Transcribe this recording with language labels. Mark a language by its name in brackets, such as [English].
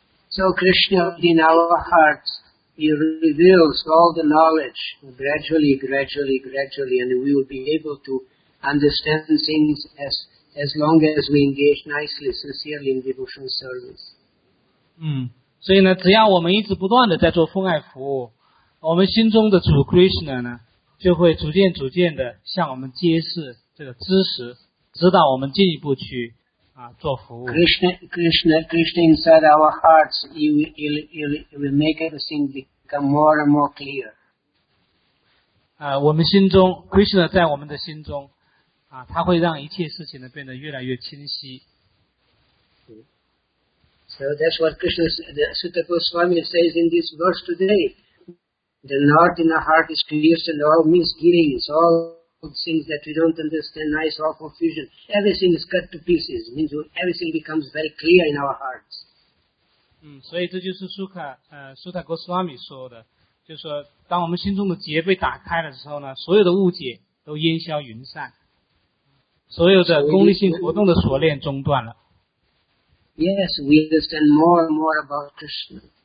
[English] So Krishna, in our hearts, He reveals all the knowledge gradually, gradually, gradually, and we will be able to understand things as long as we engage nicely, sincerely in devotional service. [Chinese] 所以呢，只要我们一直不断的在做奉爱服务，我们心中的主 Krishna 呢，就会逐渐逐渐的向我们揭示这个知识，指导我们进一步去做服务。 [English] Krishna inside our hearts, he will make everything become more and more clear. [Chinese] 我们心中 Krishna 在我们的心中。它会让一切事情呢变得越来越清晰。 [English] So that's what Krishna, the Sutta Goswami says in this verse today. The knot in the heart is pierced and all misgivings, all things that we don't understand, nice, all confusion. Everything is cut to pieces. Means everything becomes very clear in our hearts. [Chinese] 所以这就是Sutta Goswami 说的，就是说当我们心中的结被打开了之后呢，所有的误解都烟消云散。所有的功利性活动的锁链中断了。 [English] Yes, we understand more and more about Krishna.